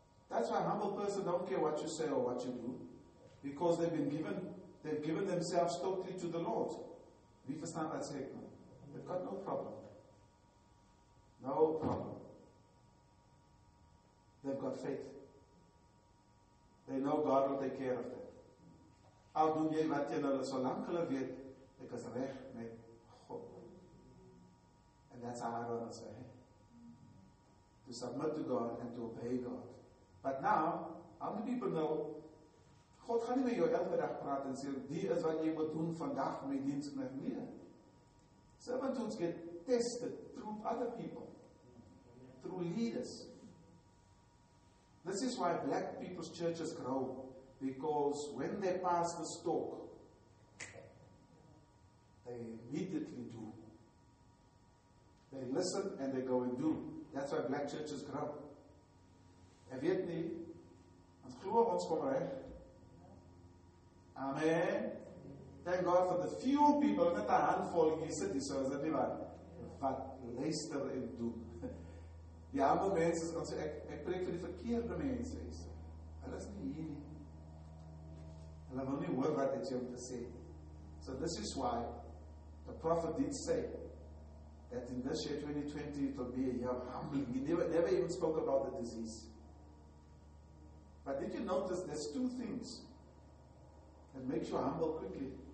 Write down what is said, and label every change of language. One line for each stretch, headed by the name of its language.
English: That's why a humble person don't care what you say or what you do, because they've given themselves totally to the Lord. We understand that statement. They've got no problem. No problem. They've got faith. They know God will take care of them.
Afrikaans: Al doen jy wat jy nou so lank hulle weet, ek is reg met God.
English: And that's how I want to say. To submit to God and to obey God. But now, how many people know,
Afrikaans: God gaan nie met jou elke dag praat en sê, die is wat jy moet doen vandag met diens en met meer.
English: Servants get tested through other people, through leaders. This is why black people's churches grow, because when they pass the talk, they immediately do. They listen and they go and do. That's why black churches grow.
Afrikaans: Hy weet nie, ons glo ons kom reg.
English: Amen. Thank God for the few people,
Afrikaans: met die handvol in die city, so is dit nie waar, wat luister en doen. Die ander mense, ek preek vir die verkeerde mense, hulle is nie hier. Hulle wil nie hoor wat het jy om te sê.
English: So this is why the prophet did say that in this year 2020 it will be a year of humbling. He never even spoke about the disease. But did you notice there's two things that makes you humble quickly?